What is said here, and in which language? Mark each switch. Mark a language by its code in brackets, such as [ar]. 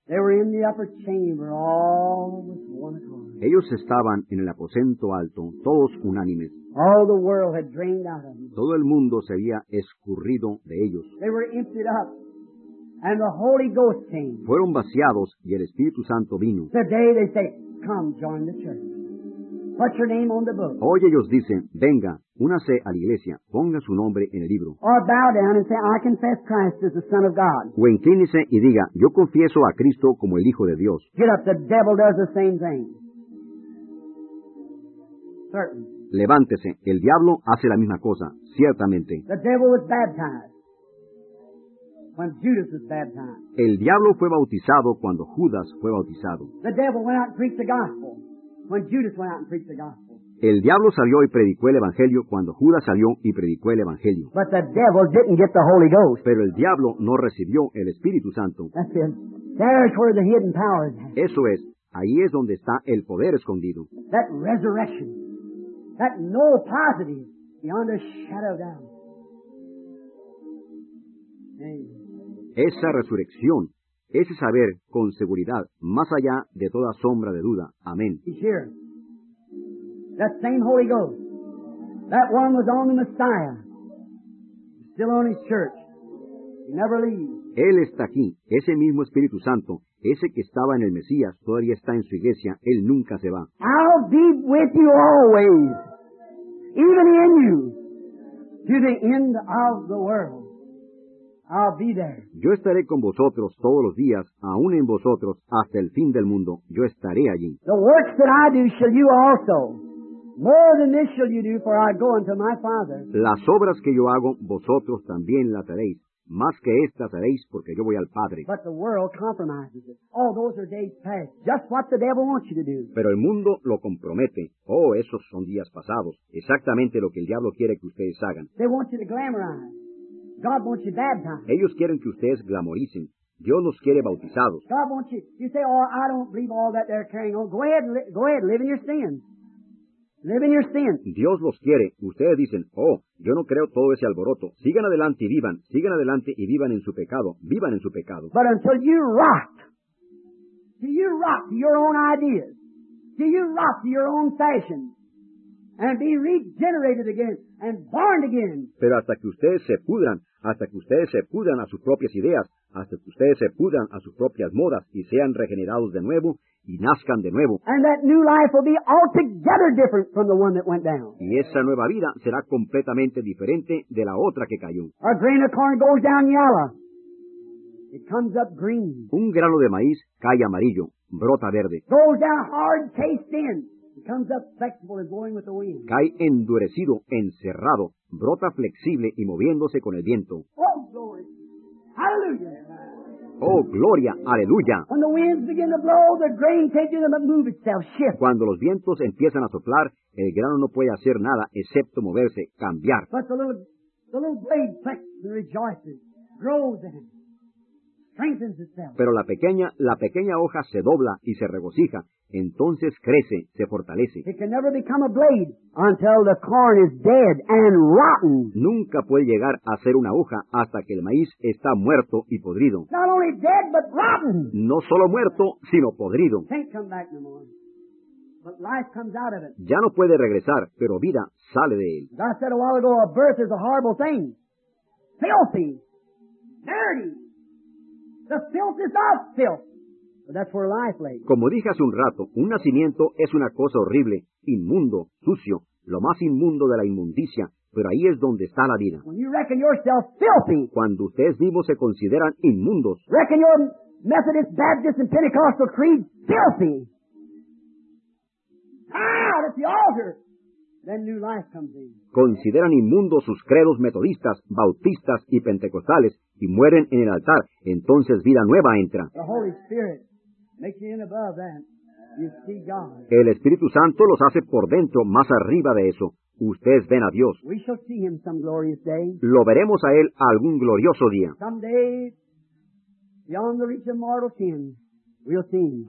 [en] They were in the upper chamber, all with one accord. [es] Ellos estaban en el aposento alto, todos unánimes. [en] All the world had drained out of them. [es] Todo el mundo se había escurrido de ellos. [en] They were emptied up, and the Holy Ghost came. [es] Fueron vaciados y el Espíritu Santo vino. [en] Today they say, come, join the church. Put your name on the book. [es] Hoy ellos dicen, venga, únase a la iglesia, ponga su nombre en el libro. [en] Or bow down and say, I confess Christ as the Son of God. [es] O inclínese y diga, yo confieso a Cristo como el Hijo de Dios. [en] Get up, the devil does the same thing. Certain. [es] Levántese, el diablo hace la misma cosa, ciertamente. [en] The devil was baptized when Judas was baptized. [es] El diablo fue bautizado cuando Judas fue bautizado. [en] The devil went out and preached the gospel. When Judas went out and preached the gospel. [es] El diablo salió y predicó el evangelio cuando Judas salió y predicó el evangelio. [en] But the devil didn't get the Holy Ghost. [es] Pero el diablo no recibió el Espíritu Santo. [en] That's where the hidden power is. [es] Eso es, ahí es donde está el poder escondido. [en] That resurrection, that null positive beyond a shadow of doubt. [es] Esa resurrección. Ese saber, con seguridad, más allá de toda sombra de duda. Amén. [en] He's here. That same Holy Ghost. That one was on the Messiah. Still on his church. He never leaves. [es] Él está aquí. Ese mismo Espíritu Santo. Ese que estaba en el Mesías todavía está en su iglesia. Él nunca se va. [en] I'll be with you always. Even in you. To the end of the world. I'll be there. [es] Yo estaré con vosotros todos los días, aún en vosotros, hasta el fin del mundo. Yo estaré allí. [en] The works that I do shall you also. More than this shall you do, for I go unto my Father. [es] Las obras que yo hago, vosotros también las haréis. Más que estas haréis, porque yo voy al Padre. [en] But the world compromises it. Oh, those are days past. Just what the devil wants you to do. [es] Pero el mundo lo compromete. Oh, esos son días pasados. Exactamente lo que el diablo quiere que ustedes hagan. [en] They want you to glamorize. God wants you baptized. [es] Ellos quieren que ustedes glamoricen. Dios los quiere bautizados. [en] God wants you. You say, "Oh, I don't believe all that they're carrying on." Go ahead. Live in your sin. Live in your sin. [es] Dios los quiere. Ustedes dicen, "Oh, yo no creo todo ese alboroto." Sigan adelante y vivan. Sigan adelante y vivan en su pecado. Vivan en su pecado. [en] But until you rot, do you rot your own ideas? Do you rot your own fashion? And be regenerated again and born again. [es] Pero hasta que ustedes se pudran, hasta que ustedes se pudran a sus propias ideas, hasta que ustedes se pudran a sus propias modas y sean regenerados de nuevo y nazcan de nuevo. [en] And that new life will be altogether different from the one that went down. [es] Y esa nueva vida será completamente diferente de la otra que cayó. [en] A grain of corn goes down yellow. It comes up green. [es] Un grano de maíz cae amarillo, brota verde. [en] Goes down hard cased in. It comes up flexible and blowing with the wind. [es] Cae endurecido, encerrado, brota flexible y moviéndose con el viento. [en] Oh, glory. Hallelujah. [es] Oh, gloria, aleluya. [en] When the winds begin to blow, the grain changes and move itself, shift. [es] Cuando los vientos empiezan a soplar, el grano no puede hacer nada excepto moverse, cambiar. [en] But the little blade flexes and rejoices, grows in it. [es] Pero la pequeña hoja se dobla y se regocija, entonces crece, se fortalece. [en] It can never become a blade until the corn is dead and rotten. [es] Nunca puede llegar a ser una hoja hasta que el maíz está muerto y podrido. [en] Not only dead, but rotten. [es] No solo muerto, sino podrido. [en] Can't come back no more. But life comes out of it. [es] Ya no puede regresar, pero vida sale de él. [en] As I said a while ago, a birth is a horrible thing. Filthy. Dirty. The filth is of filth. But that's where life lay. [es] Como dije hace un rato, un nacimiento es una cosa horrible, inmundo, sucio, lo más inmundo de la inmundicia, Pero ahí es donde está la vida. [en] When you reckon yourself filthy, [es] cuando ustedes mismos se consideran inmundos, [en] reckon your Methodist, Baptist, and Pentecostal creed filthy, out at the altar, then new life comes in. [es] Consideran inmundos sus credos metodistas, bautistas y pentecostales y mueren en el altar, entonces vida nueva entra. [en] The Holy Spirit makes you in above that. You see God. [es] El Espíritu Santo los hace por dentro, más arriba de eso. Ustedes ven a Dios. [en] We shall see him some glorious day. [es] Lo veremos a Él algún glorioso día. [en] Someday, beyond the reach of mortal sin, we'll see him.